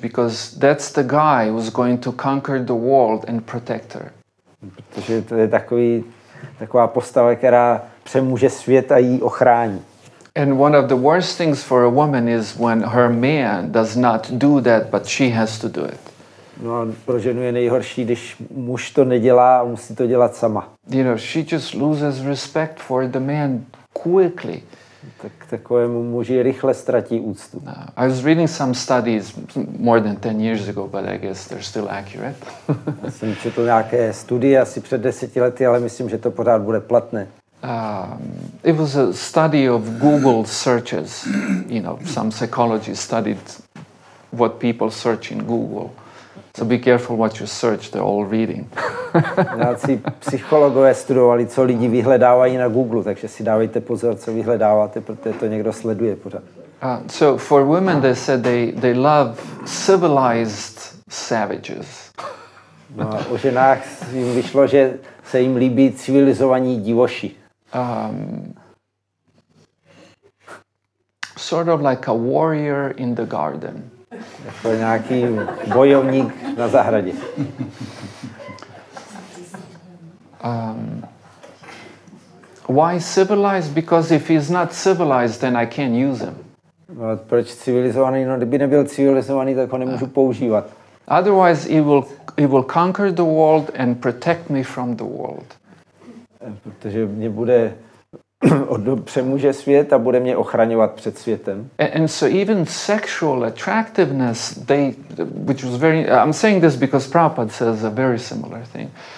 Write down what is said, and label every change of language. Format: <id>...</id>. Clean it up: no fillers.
<en>Because that's the guy who's going to conquer the world and protect her.</en> <cs>Protože to je takový, taková postava, která přemůže svět a jí ochrání.</cs> <en>And one of the worst things for a woman is when her man does not do that, but she has to do it.</en> <cs>No a pro ženu je nejhorší, když muž to nedělá a musí to dělat sama.</cs> <en>You know, she just loses respect for the man quickly.</en> <cs>Tak takovému muži rychle ztratí úctu. No.</cs> <en>I was reading some studies more than 10 years ago, but I guess they're still accurate.</en> <cs>Já jsem četl nějaké studie asi před 10 lety, ale myslím, že to pořád bude platné.</cs> <en>It was a study of Google searches. You know, some psychologists studied what people search in Google. So be careful what you search, they're all reading.</en> <cs>Nějací psychologové studovali, co lidi vyhledávají na Google, takže si dávejte pozor, co vyhledáváte, protože to někdo sleduje pořád.</cs> <en>So for women they said they love civilized savages.</en> <cs>No a o ženách jim vyšlo, že se jim líbí civilizovaní divoši.</cs> <en>Sort of like a warrior in the garden.</en> <cs>Jako nějaký bojovník na zahradě.</cs> <en>Why civilized? Because if he's not civilized, then I can't use him.</en> <cs>No, proč civilizovaný? No, kdyby nebyl civilizovaný, tak ho nemůžu používat.</cs> <en>Otherwise, he will conquer the world and protect me from the world.</en> <cs>Protože mě bude přemůže svět a bude mě ochraňovat před světem.</cs> <en>And so even sexual attractiveness, they, which was very, I'm saying this because Prabhupada says a very similar thing.</en>